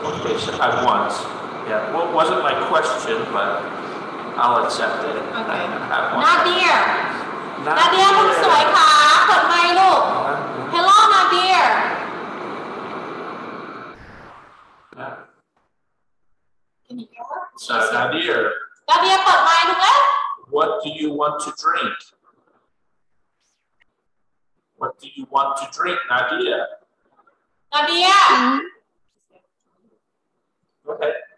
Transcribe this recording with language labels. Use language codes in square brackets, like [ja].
[en] okay so I want Yeah, well, it wasn't my question, but I'll accept it. Okay. Nadir. [th] Nadir, คุณสวยค่ะ กดไมค์ลูก [en] Hello, [th] Nadir. [en] Nadir. [th] Nadir, เปิดไมค์ดูไหม [en] What do you want to drink? What do you want to drink, Nadir? Nadir. Okay.